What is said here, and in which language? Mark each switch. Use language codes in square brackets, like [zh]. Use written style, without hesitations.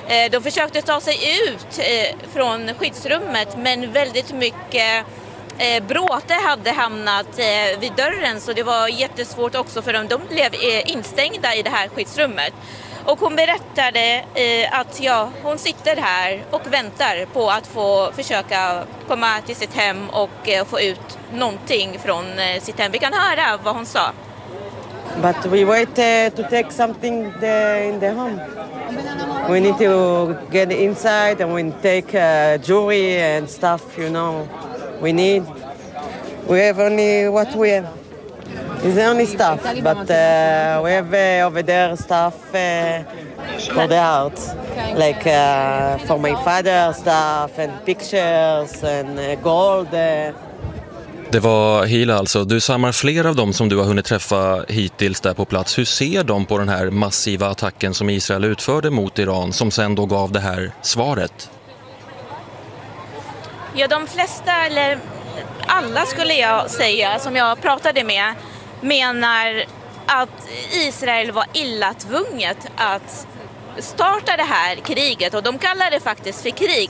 [sv] De försökte ta sig ut från skyddsrummet, men väldigt mycket bråte hade hamnat vid dörren, så det var jättesvårt också för dem. De blev instängda i det här skyddsrummet. Och hon berättade att hon sitter här och väntar på att få försöka komma till sitt hem och få ut någonting från sitt hem. Vi kan höra vad hon sa. [en] But we wait to take something in the home. We need to get inside and we take jewelry and stuff, you know. We need. We have only what we have. It's only stuff, but we have over there stuff for the art, like for my father stuff and pictures and gold. [sv] Det var Hila alltså. Du samlar flera av dem som du har hunnit träffa hittills där på plats. Hur ser de på den här massiva attacken som Israel utförde mot Iran som sen då gav det här svaret? Ja, de flesta, eller alla skulle jag säga, som jag pratade med, menar att Israel var illa tvunget att starta det här kriget, och de kallar det faktiskt för krig.